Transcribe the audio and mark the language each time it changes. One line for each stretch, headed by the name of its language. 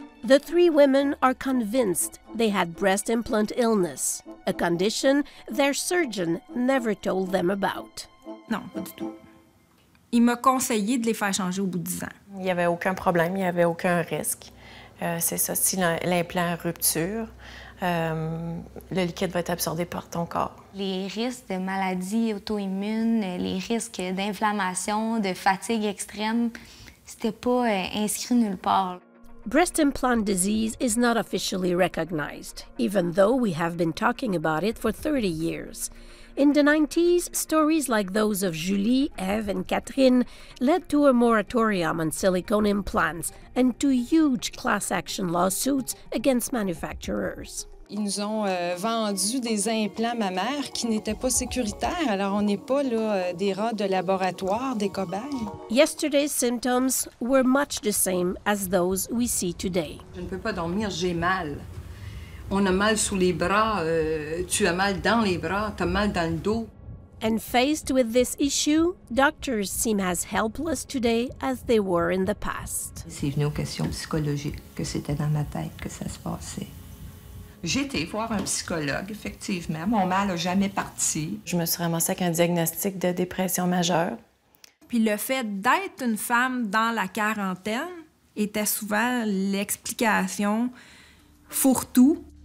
English: The three women are convinced they had breast implant illness, a condition their surgeon never told them about.
French: Non, pas du tout. Il m'a conseillé de les faire changer au bout de 10 ans. Il n'y avait aucun problème, il n'y avait aucun risque. C'est ça, si l'implant rupture, le liquide va être absorbé par ton corps. Les risques de maladies auto-immunes, les risques d'inflammation, de fatigue extrême, c'était pas inscrit nulle part.
English: Breast implant disease is not officially recognized, even though we have been talking about it for 30 years. In the 90s, stories like those of Julie, Eve, and Catherine led to a moratorium on silicone implants and to huge class action lawsuits against manufacturers.
French: Ils nous ont vendu des implants mammaires qui n'étaient pas sécuritaires. Alors, on n'est pas là, des rats de laboratoire, des cobayes.
English: Yesterday's symptoms were much the same as those we see today.
French: Je ne peux pas dormir, j'ai mal. On a mal sous les bras, tu as mal dans les bras, tu as mal dans le dos.
English: And faced with this issue, doctors seem as helpless today as they were in the past.
French: C'est venu aux questions psychologiques, que c'était dans ma tête que ça se passait. J'ai été voir un psychologue, effectivement. Mon mal n'a jamais parti. Je me suis ramassée avec un diagnostic de dépression majeure. Puis le fait d'être une femme dans la quarantaine était souvent l'explication fourre-tout.